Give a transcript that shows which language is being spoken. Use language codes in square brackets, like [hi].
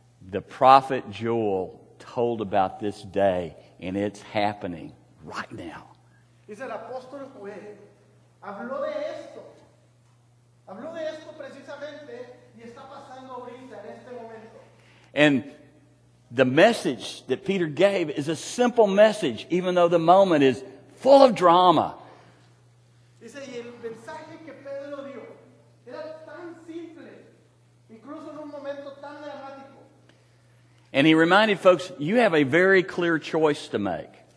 [en] The prophet Joel told about this day, and it's happening right now. [es] Dice el apóstol Joel, habló de esto precisamente, y está pasando ahorita en este momento. [en] And the message that Peter gave is a simple message, even though the moment is full of drama. [es] Dice, y el mensaje que Pedro dio era tan simple, incluso en un momento tan dramático. [en] And he reminded folks, you have a very clear choice to make.